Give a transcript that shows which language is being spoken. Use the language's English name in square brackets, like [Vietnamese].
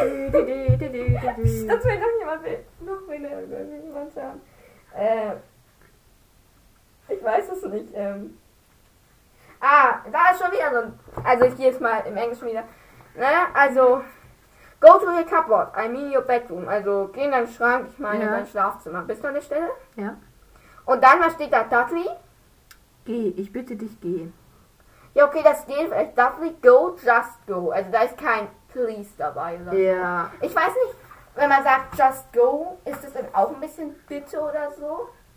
[German] Das wäre doch jemand noch weniger, wenn wir jemand sagen. Ich weiß es nicht. Da ist schon wieder so ein. Also ich gehe jetzt mal im Englischen wieder. Naja, also [English] go to your cupboard, I mean your bedroom. [German] Also geh in deinen Schrank, ich meine ja. dein Schlafzimmer. Bist du an der Stelle? Ja. Und dann, was steht da? Dudley? Geh, ich bitte dich, geh. Ja, okay, das geht vielleicht. [English] Dudley, go, just go. [German] Also da ist kein please dabei. Ja. Yeah. Ich weiß nicht, wenn man sagt [English] just go, [German] ist das dann auch ein bisschen bitte oder so?